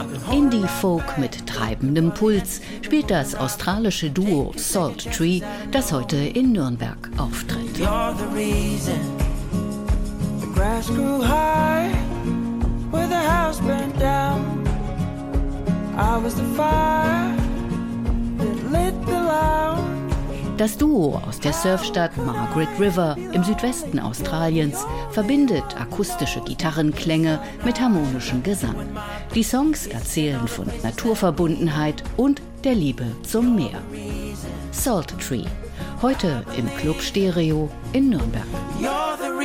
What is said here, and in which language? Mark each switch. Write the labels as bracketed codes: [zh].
[de] Indie-Folk mit treibendem Puls spielt das australische Duo Salt Tree, das heute in Nürnberg auftritt. [en] You're the reason the grass grew high where the house burned down. I was the fire that lit the lounge. [de] Das Duo aus der Surfstadt Margaret River im Südwesten Australiens verbindet akustische Gitarrenklänge mit harmonischem Gesang. Die Songs erzählen von Naturverbundenheit und der Liebe zum Meer. Salt Tree, heute im Club Stereo in Nürnberg. [en] You're